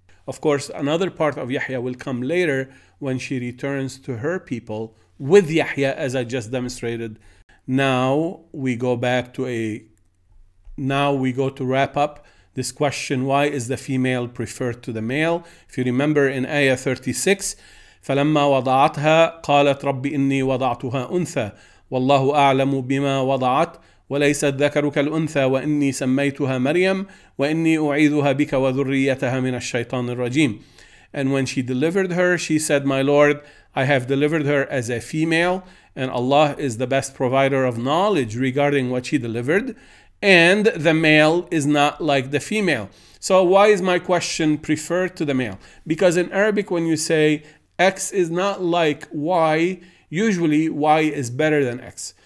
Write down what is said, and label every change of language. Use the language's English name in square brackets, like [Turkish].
[English] Of course, another part of Yahya will come later when she returns to her people with Yahya, as I just demonstrated. Now we go back to wrap up this question, why is the female preferred to the male? If you remember in Ayah 36, [Arabic] فلما وضعتها قالت ربي إني وضعتها أنثى والله أعلم بما وضعت وليس الذكر كالأنثى وإني سميتها مريم وإني أعيذها بك وذريتها من الشيطان الرجيم. [English] And when she delivered her, she said, My Lord, I have delivered her as a female, and Allah is the best provider of knowledge regarding what she delivered, and the male is not like the female. So why is my question preferred to the male? Because in Arabic, when you say X is not like Y, usually Y is better than X.